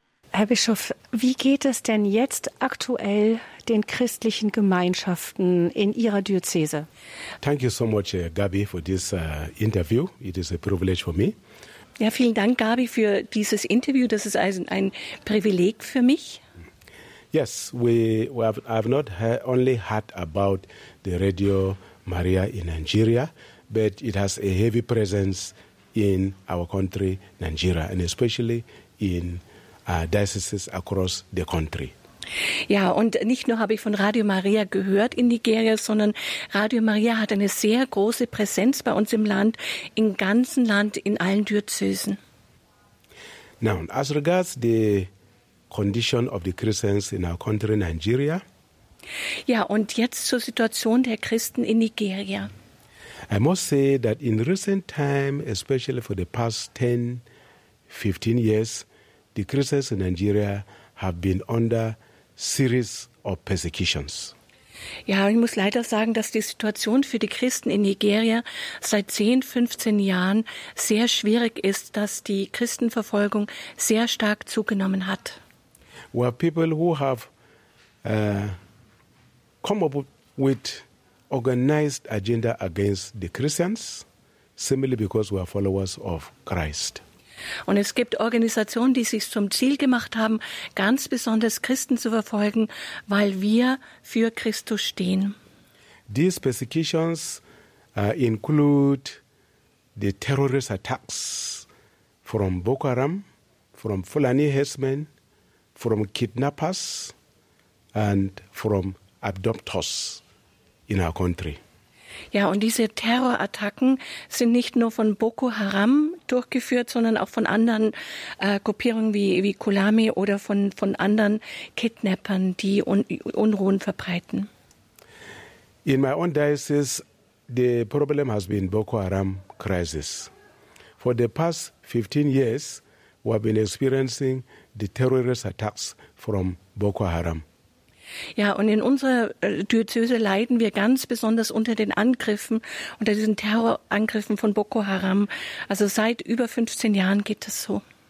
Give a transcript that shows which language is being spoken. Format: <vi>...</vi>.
<de>Herr Bischof, wie geht es denn jetzt aktuell den christlichen Gemeinschaften in Ihrer Diözese?</de> <en>Thank you so much, Gabi, for this interview. It is a privilege for me.</en> <de>Ja, vielen Dank, Gabi, für dieses Interview. Das ist also ein Privileg für mich.</de> <en>Yes, I've not only heard about the Radio Maria in Nigeria, but it has a heavy presence in our country, Nigeria, and especially in dioceses across the country.</en> <de>Ja, und nicht nur habe ich von Radio Maria gehört in Nigeria, sondern Radio Maria hat eine sehr große Präsenz bei uns im Land, im ganzen Land, in allen Diözesen.</de> <en>Now, as regards the condition of the Christians in our country, Nigeria.</en> <de>Ja, und jetzt zur Situation der Christen in Nigeria.</de> <en>I must say that in recent time, especially for the past 10, 15 years, the Christians in Nigeria have been under series of persecutions.</en> <de>Ja, ich muss leider sagen, dass die Situation für die Christen in Nigeria seit 10, 15 Jahren sehr schwierig ist, dass die Christenverfolgung sehr stark zugenommen hat.</de> <en>Well, people who have come up with organized agenda against the Christians, simply because we are followers of Christ.</en> <de>Und es gibt Organisationen, die sich zum Ziel gemacht haben, ganz besonders Christen zu verfolgen, weil wir für Christus stehen.</de> <en>These persecutions include the terrorist attacks from Boko Haram, from Fulani herdsmen, from kidnappers and from abductors in our country.</en> <de>Ja, und diese Terrorattacken sind nicht nur von Boko Haram durchgeführt, sondern auch von anderen Gruppierungen wie Kulami oder von anderen Kidnappern, die Unruhen verbreiten.</de> <en>In my own diocese, the problem has been Boko Haram crisis. For the past 15 years, we have been experiencing the terrorist attacks from Boko Haram.</en> <de>Ja, und in unserer Diözese leiden wir ganz besonders unter den Angriffen, unter diesen Terrorangriffen von Boko Haram. Also seit über 15 Jahren geht es so.</de>